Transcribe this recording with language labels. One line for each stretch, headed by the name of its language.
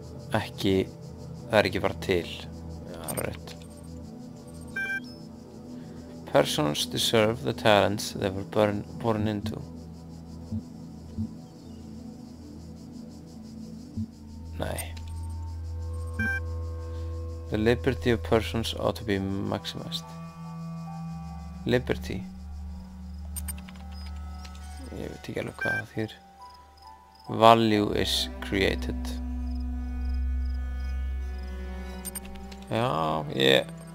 Icelandic: Ekki, það er ekki bara til.
English: Alright. Persons deserve the talents they were born into.
Icelandic: Nei.
English: The liberty of persons ought to be maximized. Liberty.
Icelandic: Ég veit ekki alveg hvað það þýr.
English: Value is created.
Icelandic: Já, ég...